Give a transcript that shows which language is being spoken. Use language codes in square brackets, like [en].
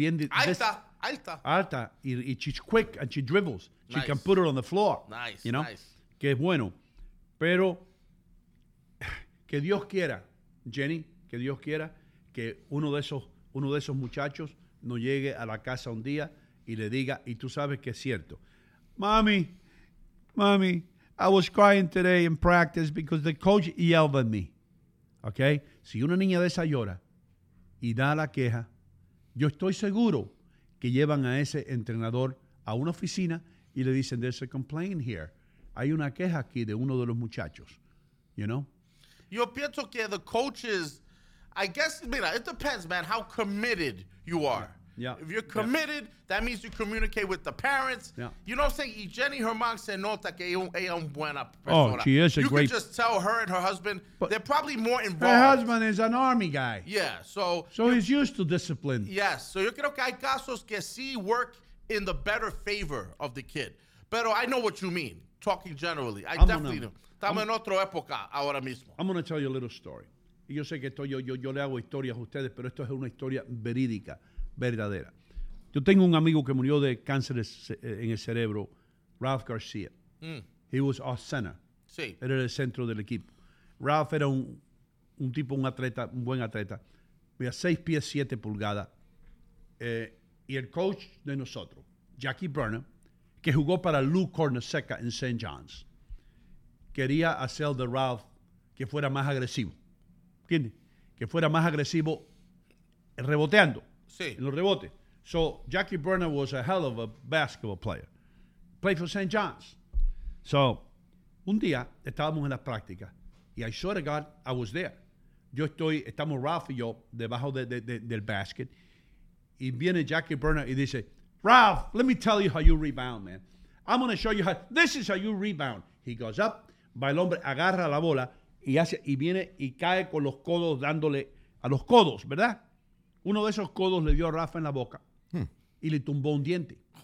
[es] Alta. Alta. Y [en] she's quick and she dribbles. She can put it on the floor. Nice, you know? Nice. [es] Que es bueno. Pero que Dios quiera, Jenny, que Dios quiera que uno de esos muchachos no llegue a la casa un día y le diga, y tú sabes que es cierto. [en] Mami, I was crying today in practice because the coach yelled at me. Okay? [es] Si una niña de esa llora y da la queja, yo estoy seguro que llevan a ese entrenador a una oficina y le dicen, [en] there's a complaint here. [es] Hay una queja aquí de uno de los muchachos. [en] You know? [es] Yo pienso que [en] the coaches, I guess, mira, it depends, man, how committed you are. Yeah. Yeah. If you're committed, that means you communicate with the parents. Yeah. You know what I'm saying? [es] Y Jenny Herman se nota que ella es una buena persona. [en] Oh, she is a you great... You can just tell her and her husband, but they're probably more involved. Her husband is an army guy. Yeah, so... So he's used to discipline. Yes, so [es] yo creo que hay casos que sí [en] work in the better favor of the kid. Pero I know what you mean, talking generally. [es] Estamos en otra época ahora mismo. [en] I'm going to tell you a little story. [es] Y yo sé que esto yo le hago historias a ustedes, pero esto es una historia verídica. Verdadera. Yo tengo un amigo que murió de cáncer en el cerebro, Ralph Garcia. Mm. [en] He was off center. [es] Sí. Era el centro del equipo. Ralph era un tipo, un atleta, un buen atleta. Mira, 6 pies, 7 pulgadas. Y el coach de nosotros, Jackie Burner, que jugó para Lou Cornaseca en St. John's, quería hacer de Ralph que fuera más agresivo. ¿Entiendes? Que fuera más agresivo reboteando. Sí. En los rebotes. [en] So, Jackie Burner was a hell of a basketball player. Played for St. John's. [es] So, un día, estábamos en las prácticas. [en] Y I swear to God, I was there. [es] Estamos Ralph y yo debajo del basket. Y viene Jackie Burner y dice, [en] Ralph, let me tell you how you rebound, man. I'm going to show you how, this is how you rebound. He goes up, [es] va el hombre, agarra la bola y viene y cae con los codos dándole a los codos, ¿verdad? Uno de esos codos le dio a Rafa en la boca y le tumbó un diente.